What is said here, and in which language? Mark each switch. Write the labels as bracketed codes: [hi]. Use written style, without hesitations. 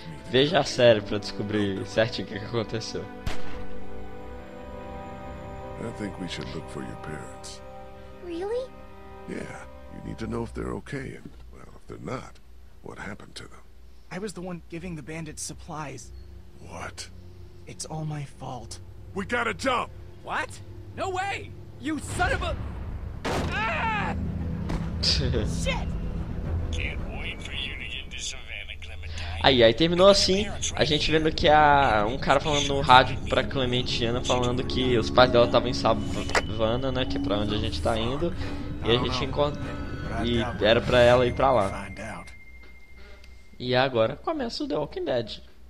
[pt] Veja a série pra descobrir certinho o que aconteceu. [en] I think we should look for your parents. Really? Yeah. You need to know if they're okay, and, well, if they're not, what happened to them? I was the one giving the bandits supplies. What? It's all my fault. We gotta jump! What? No way! You son of a... Shit! Can't wait for you to get to Savannah, Clementine. [pt] Aí terminou assim, a gente vendo que há um cara falando no rádio pra Clementina, falando que os pais dela estavam em Savannah, né, que é pra onde a gente tá indo, e a gente encontra, e era pra ela ir pra lá. E agora começa o The Walking Dead.